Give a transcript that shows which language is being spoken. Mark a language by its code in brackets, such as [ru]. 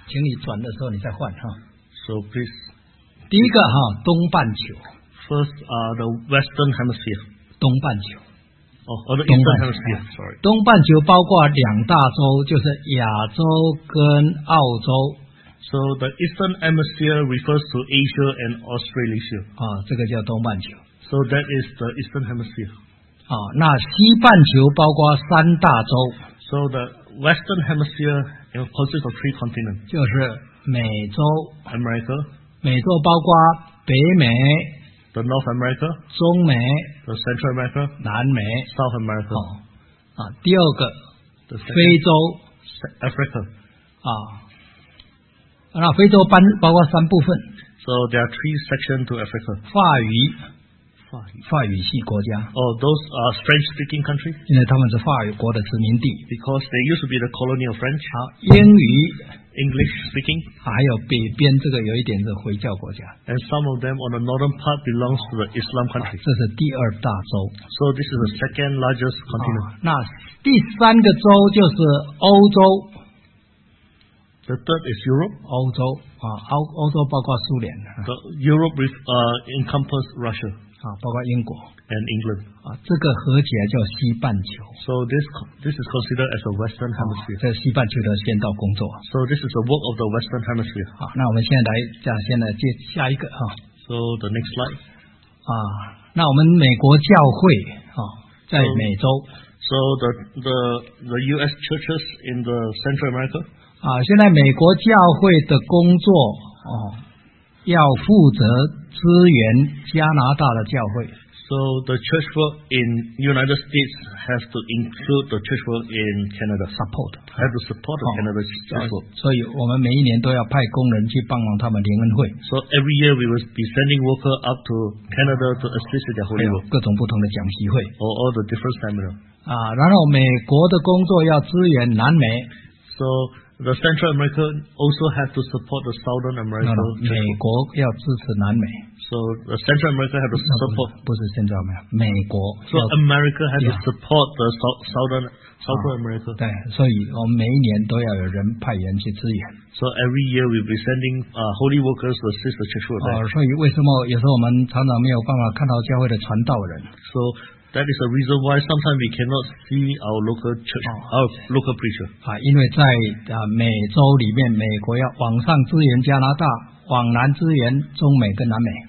[zh] 还没有，回来，我请你转的时候你再换。 [en] So please. [zh] 第一个，东半球。 [en] First, the Western Hemisphere. [zh] 东半球。 Oh, 东半球包括两大洲，就是亚洲跟澳洲。 [en] So the Eastern Hemisphere refers to Asia and Australasia. [zh] 这个叫东半球。 [en] So that is the Eastern Hemisphere. [zh] 那西半球包括三大洲。 [en] So the Western Hemisphere consists of three continents. [zh] 就是美洲。 [en] America. [zh] 美洲包括北美。 [en] The North America, [zh] 中美, [en] the Central America, [zh] 南美, [en] South America. [zh] 第二个, [en] the second, [zh] 非洲, [en] Africa. [zh] 那非洲包括三部分, [en] so there are three sections to Africa. [zh] 法语系国家, [en] oh, those are French-speaking countries. [zh] 因为他们是法语国的殖民地, [en] because they used to be the colony of French. [zh] 英语, [en] English speaking, [zh] 还有北边这个有一点是回教国家, [en] and some of them on the northern part belongs to the Islam country. [zh] 这是第二大洲, [en] so this is the second largest continent. [zh] 那第三个洲就是欧洲, [en] The third is Europe. [zh] 欧洲啊，欧欧洲包括苏联。 [en] The Europe is encompass Russia. [zh] 啊，包括英国。 [en] And England. [zh] 啊，这个合起来叫西半球。 [en] So this is considered as a Western Hemisphere. [zh] 在西半球的先到工作。 [en] So this is the work of the Western Hemisphere. [zh] 好，那我们现在来讲，现在接下一个哈。 [en] So the next slide. [zh] 啊，那我们美国教会啊，在美洲。 [en] So the U.S. churches in the Central America. [zh] 啊，现在美国教会的工作哦，要负责支援加拿大的教会。 [en] So the church work in United States has to include the church work in Canada. Support. Have to support Canada's church work. [zh] 所以我们每一年都要派工人去帮忙他们联恩会。 [en] So every year we will be sending worker up to Canada to assist their holy work. [zh] 各种不同的讲习会。 [en] Or all the different seminar. [zh] 啊，然后美国的工作要支援南美 [en] ，so the Central America also have to support the Southern America. No, [zh] 美国要支持南美 [en] ，so the Central America have to support. [zh] 不是 Central America， 美国。 [en] So America has to support the Southern America. [zh] 对，所以我们每一年都要有人派人去支援。 [en] So every year we'll be sending holy workers to assist the church. [zh] 哦，所以为什么有时候我们常常没有办法看到教会的传道人 [en] ？So That is the reason why sometimes we cannot see our local church, our local preacher. [zh] 啊，因为在美洲里面，美国要往上支援加拿大，往南支援中美跟南美。